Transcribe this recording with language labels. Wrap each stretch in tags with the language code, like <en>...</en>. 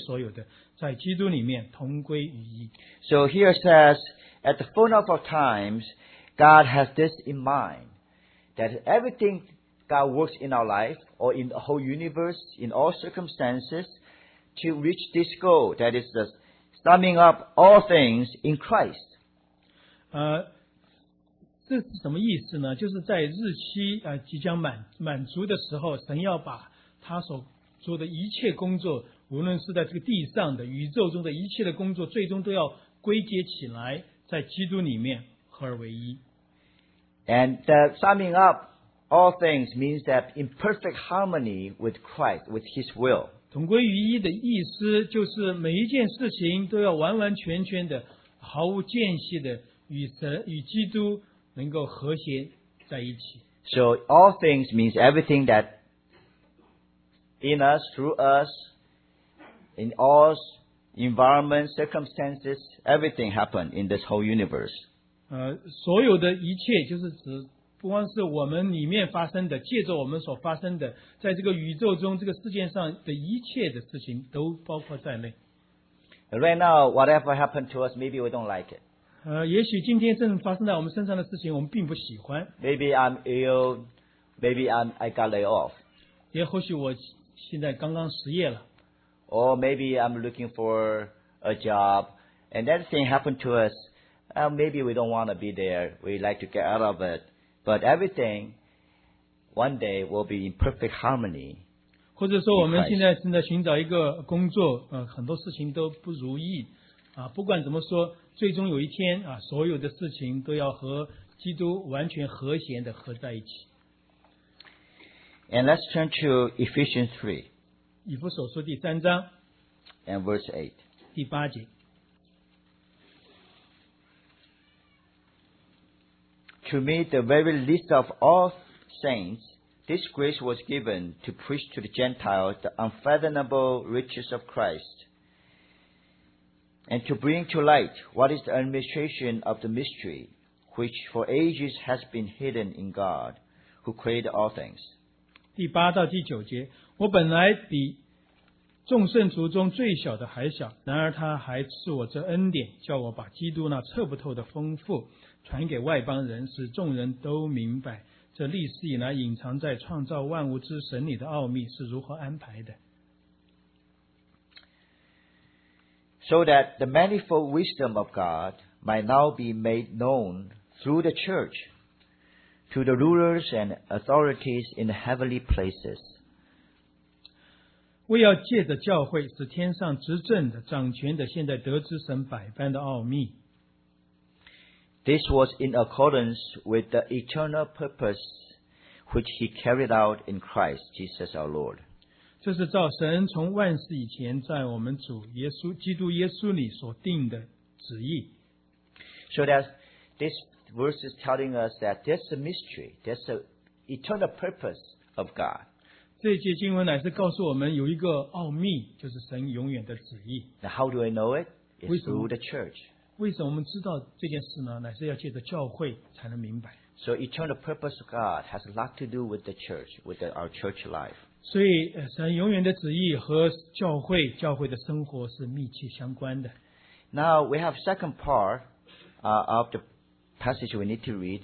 <zh>这恩典是神用诸般智慧聪明匆匆足足赏给我们的，都是照他自己所预定的美意，叫我们知道他旨意的奥秘，是要照所安排的，在日期满足的时候，使天上地上一切所有的，在基督里面同归于一。So</zh> <en>here says, at the fullness of times, God has this in mind, that everything God works in our life, or in the whole universe, in all circumstances, to reach this goal, that is the summing up all things in Christ.</en> <zh>这是什么意思呢？就是在日期即将满足的时候，神要把他所做的一切工作，无论是在这个地上的、宇宙中的一切的工作，最终都要归结起来，在基督里面合而为一。</zh> <en>And the summing up all things means that in perfect harmony with Christ, with His will.</en> <zh>同归于一的意思就是每一件事情都要完完全全的、毫无间隙的与神、与基督能够和谐在一起。</zh> <en>So all things means everything that in us, through us, in all environments, circumstances, everything happened in this whole universe.</en> <zh>所有的一切就是指不光是我们里面发生的，借着我们所发生的，在这个宇宙中，这个世界上的一切的事情都包括在内。</zh> <en>Right now, whatever happened to us, maybe we don't like it.</en> <zh>也许今天正发生在我们身上的事情，我们并不喜欢。</zh> <en>Maybe I'm ill. Maybe I got laid off.</en> <zh>也或许我现在刚刚失业了。</zh> <en>Or maybe I'm looking for a job, and that thing happened to us. Maybe we don't want to be there. We like to get out of it. But everything, one day, will be in perfect harmony.</en> <zh>或者说，我们现在正在寻找一个工作，很多事情都不如意，不管怎么说，最终有一天，所有的事情都要和基督完全和谐的合在一起。</zh> <en>And let's turn to Ephesians 3.</en> <zh>以弗所书第三章。</zh> <en>And verse 8.</en> <zh>第八节。</zh> <en>To me, the very least of all saints, this grace was given to preach to the Gentiles the unfathomable riches of Christ, and to bring to light what is the administration of the mystery, which for ages has been hidden in God, who created all things.</en> <zh>第八到第九节，我本来比众圣徒中最小的还小，然而他还赐我这恩典，叫我把基督那测不透的丰富传给外邦人，使众人都明白这历史以来隐藏在创造万物之神里的奥秘是如何安排的。</zh> <en>So that the manifold wisdom of God might now be made known through the church to the rulers and authorities in heavenly places.</en> <zh>为要借着教会使天上执政的、掌权的现在得知神百般的奥秘。</zh> <en>This was in accordance with the eternal purpose which he carried out in Christ Jesus our Lord.</en> <zh>这是照神从万世以前在我们主耶稣基督耶稣里所定的旨意。</zh> <en>So that this verse is telling us that there's a mystery, there's an eternal purpose of God.</en> <zh>这节经文乃是告诉我们有一个奥秘，就是神永远的旨意。</zh> <en>Now how do I know it? It's through the church.</en> <zh>为什么我们知道这件事呢？乃是要借着教会才能明白。</zh> <en>So eternal purpose of God has a lot to do with the church, with our church life.</en> <zh>所以神永远的旨意和教会、教会的生活是密切相关的。</zh> <en>Now we have second part of the passage we need to read.</en>